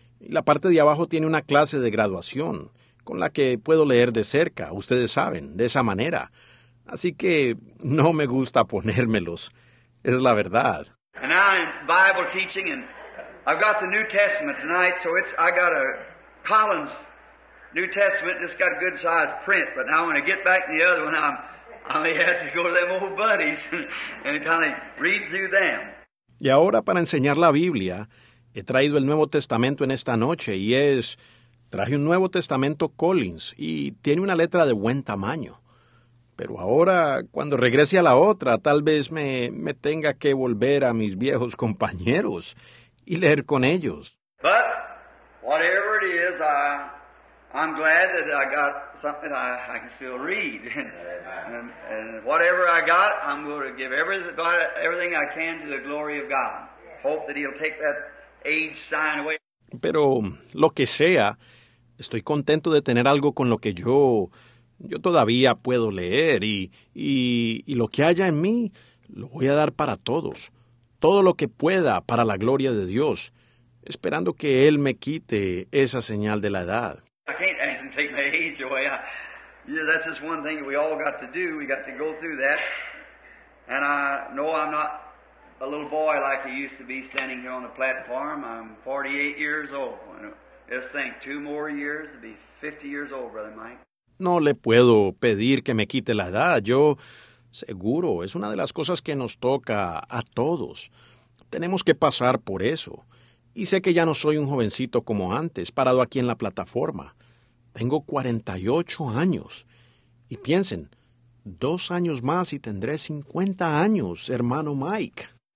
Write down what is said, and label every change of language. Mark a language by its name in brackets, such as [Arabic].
[Spanish] Y la parte de abajo tiene una clase de graduación, con la que puedo leer de cerca, ustedes saben, de esa manera. Así que no me gusta ponérmelos, es la verdad. [English] And now I'm Bible teaching, and I've got the New Testament tonight, so it's, I got a Collins... New Testament just got a good size print, but now when I get back to the other one, I may have to go to them old buddies and kind of read through them. [Spanish] Y ahora para enseñar la Biblia, he traído el Nuevo Testamento en esta noche y traje un Nuevo Testamento Collins y tiene una letra de buen tamaño. Pero ahora, cuando regrese a la otra, tal vez me tenga que volver a mis viejos compañeros y leer con ellos. [English] But whatever it is, I'm glad that I got something I can still read. And whatever I got, I'm going to give everything I can to the glory of God. Hope that he'll take that age sign away. [Spanish] Pero lo que sea, estoy contento de tener algo con lo que yo todavía puedo leer. Y lo que haya en mí, lo voy a dar para todos. Todo lo que pueda para la gloria de Dios, esperando que él me quite esa señal de la edad. [English] I can't ask him to take my age away. That's just one thing we all got to do. We got to go through that. And I know I'm not a little boy like I used to be standing here on the platform. I'm 48 years old. Just think, 2 more years, I'll be 50 years old, Brother Mike. [Spanish] No le puedo pedir que me quite la edad. Yo, seguro, es una de las cosas que nos toca a todos. Tenemos que pasar por eso. Y sé que ya no soy un jovencito como antes, parado aquí en la plataforma. Tengo 48 años. Y piensen, 2 años más y tendré 50 años, hermano Mike.